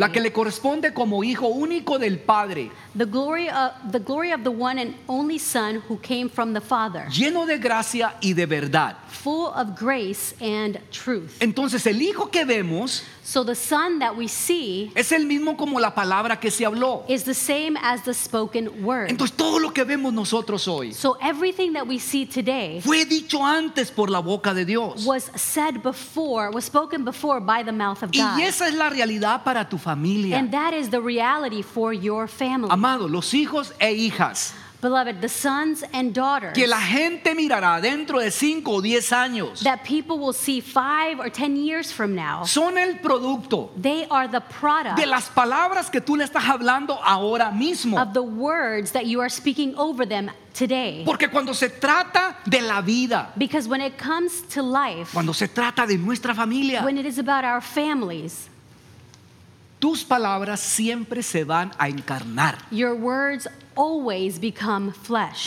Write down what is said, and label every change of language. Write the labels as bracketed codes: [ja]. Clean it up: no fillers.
[es] La que le corresponde como hijo único del Padre. [en] The glory of the one and only Son who came from the Father. [es] Lleno de gracia y de verdad. [en] Full of grace and truth. [es] Entonces el hijo que vemos, [en] so the Son that we see, [es] es el mismo como la palabra que se habló, [en] is the same as the spoken word. [es] Entonces todo lo que vemos nosotros hoy, [en] so everything that we see today, [es] fue dicho antes por la boca de Dios, [en] was said before, was spoken before by the mouth of God. [es] Y esa es la realidad para tu familia. [en] And that is the reality for your family. [es] Amado, los hijos e hijas, [en] beloved, the sons and daughters, [es] que la gente mirará dentro de 5 o 10 años, [en] that people will see 5 or 10 years from now, [es] son el producto, [en] they are the product, [es] de las palabras que tú le estás hablando ahora mismo, [en] of the words that you are speaking over them today. [es] Porque cuando se trata de la vida, [en] because when it comes to life, [es] cuando se trata de nuestra familia, [en] when it is about our families, [es] tus palabras siempre se van a encarnar. [en] Your words always become flesh.